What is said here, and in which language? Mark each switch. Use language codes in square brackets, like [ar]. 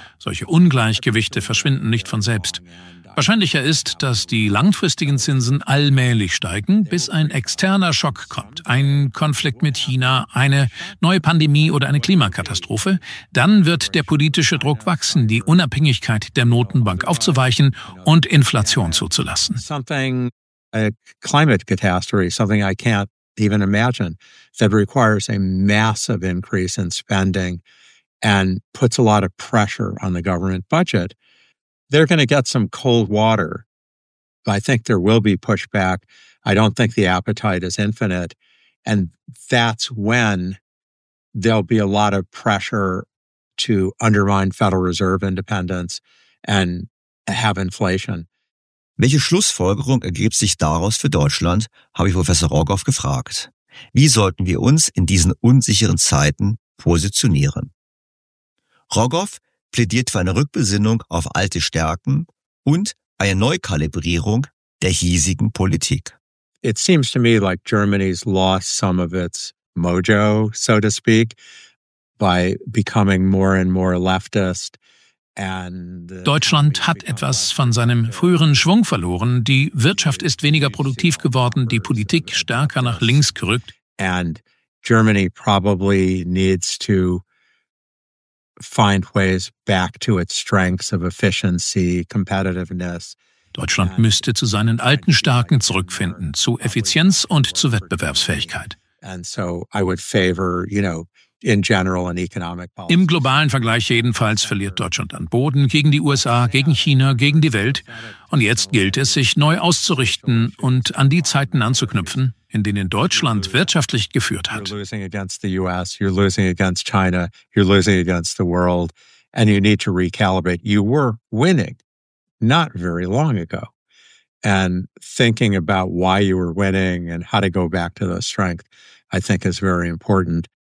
[de] Solche Ungleichgewichte verschwinden nicht von selbst. Wahrscheinlicher ist, dass die langfristigen Zinsen allmählich steigen, bis ein externer Schock kommt. Ein Konflikt mit China, eine neue Pandemie oder eine Klimakatastrophe. Dann wird der politische Druck wachsen, die Unabhängigkeit der Notenbank aufzuweichen und Inflation zuzulassen. [en] Something, a climate catastrophe, something I can't even imagine, that requires a massive increase in spending and puts a lot of pressure on the government budget. They're going to get some cold water. I think there will be pushback. I don't think the appetite is infinite. And that's when there'll be a lot of pressure to undermine Federal Reserve independence and have inflation. [de] Welche Schlussfolgerung ergibt sich daraus für Deutschland, habe ich Professor Rogoff gefragt. Wie sollten wir uns in diesen unsicheren Zeiten positionieren? Rogoff plädiert für eine Rückbesinnung auf alte Stärken und eine Neukalibrierung der hiesigen Politik. [en] It seems to me like Germany's lost some of its mojo, so to speak, by becoming more and more leftist. [de] Deutschland hat etwas von seinem früheren Schwung verloren. Die Wirtschaft ist weniger produktiv geworden, die Politik stärker nach links gerückt. [en] And Germany probably needs to find ways back to its strengths of efficiency, competitiveness. [de] Deutschland müsste zu seinen alten Stärken zurückfinden, zu Effizienz und zu Wettbewerbsfähigkeit. [en] And so I would favor, you know, in general an economic policy. [de] Im globalen Vergleich jedenfalls verliert Deutschland an Boden gegen die USA, gegen China, gegen die Welt. Und jetzt gilt es, sich neu auszurichten und an die Zeiten anzuknüpfen, in denen Deutschland wirtschaftlich geführt hat. [en] You're losing against the US, you're losing against China, you're losing against the world, and you need to recalibrate. You were winning not very long ago. And thinking about why you were winning and how to go back to those strengths, I think is very important.